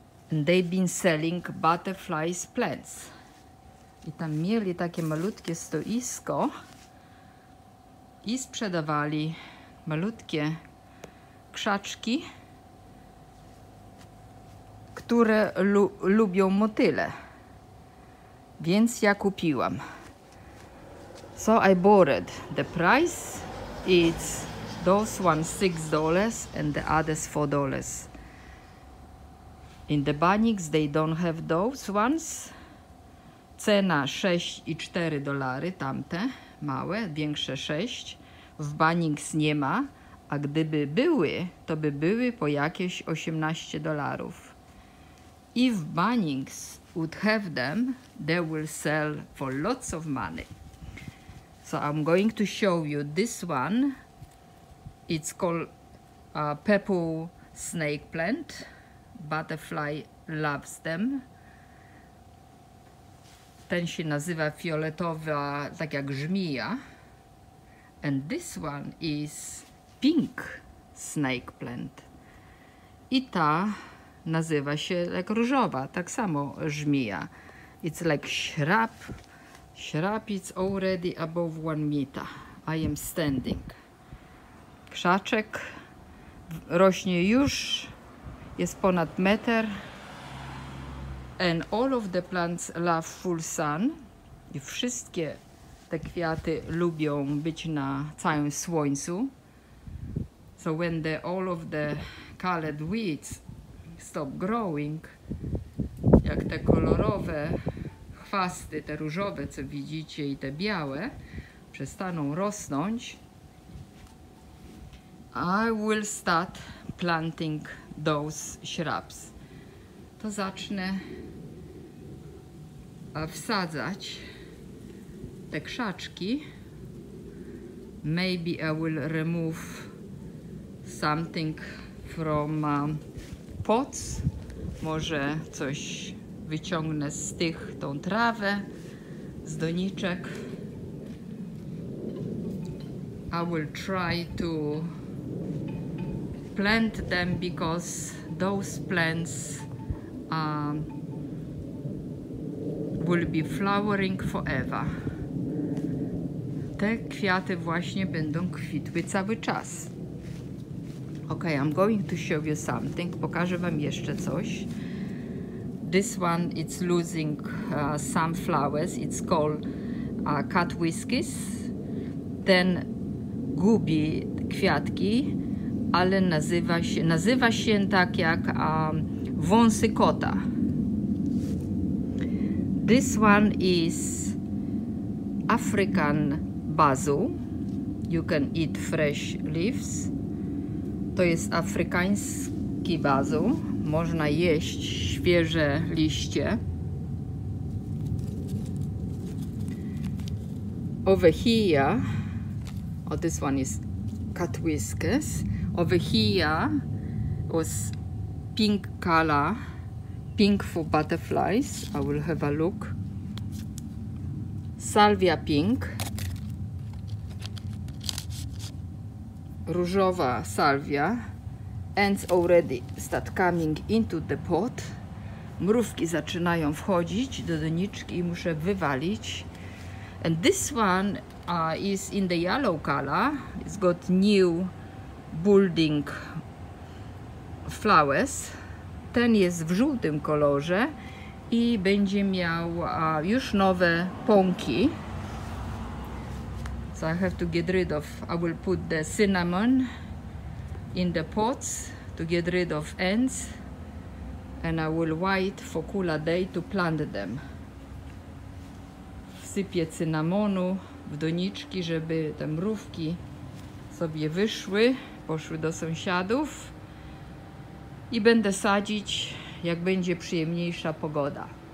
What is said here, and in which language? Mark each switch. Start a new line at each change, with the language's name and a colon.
English: And they've been selling butterflies plants.
Polish: I tam mieli takie malutkie stoisko i sprzedawali malutkie krzaczki, które lubią motyle. Więc ja kupiłam.
English: So I bought it. The price is those one $6 and the others $4. In the Bunnings they don't have those ones.
Polish: Cena 6,4 dolary, tamte małe, większe 6. W Bunnings nie ma, a gdyby były, to by były po jakieś 18 dolarów.
English: If Bunnings would have them, they will sell for lots of money. So I'm going to show you this one. It's called a purple snake plant. Butterfly loves them.
Polish: Ten się nazywa fioletowa, tak jak żmija.
English: And this one is pink snake plant.
Polish: I ta nazywa się jak różowa, tak samo żmija.
English: It's like shrub. Shrub is already above 1 meter. I am standing.
Polish: Krzaczek rośnie już, jest ponad meter.
English: And all of the plants love full sun.
Polish: I wszystkie te kwiaty lubią być na całym słońcu.
English: So when the all of the colored weeds stop growing,
Polish: jak te kolorowe chwasty, te różowe, co widzicie, i te białe, przestaną rosnąć,
English: I will start planting those shrubs.
Polish: To zacznę wsadzać te krzaczki.
English: Maybe I will remove something from pots.
Polish: Może coś wyciągnę z tych, tą trawę, z doniczek.
English: I will try to plant them because those plants are will be flowering forever.
Polish: Te kwiaty właśnie będą kwitły cały czas.
English: Ok, I'm going to show you something.
Polish: Pokażę wam jeszcze coś.
English: This one, it's losing some flowers. It's called cut whiskies.
Polish: Ten gubi kwiatki, ale nazywa się tak jak wąsy kota.
English: This one is African basil. You can eat fresh leaves.
Polish: To jest afrykański basil. Można jeść świeże liście.
English: Over here, oh, this one is cut whiskers. Over here was pink color, pink for butterflies. I will have a look. Salvia pink.
Polish: Różowa salwia.
English: Ants already start coming into the pot.
Polish: Mrówki zaczynają wchodzić do doniczki i muszę wywalić.
English: And this one is in the yellow color. It's got new bulding flowers.
Polish: Ten jest w żółtym kolorze i będzie miał już nowe pąki.
English: So I have to get rid of, I will put the cinnamon in the pots to get rid of ants and I will wait for cooler day to plant them.
Polish: Wsypię cynamonu w doniczki, żeby te mrówki sobie wyszły, poszły do sąsiadów i będę sadzić, jak będzie przyjemniejsza pogoda.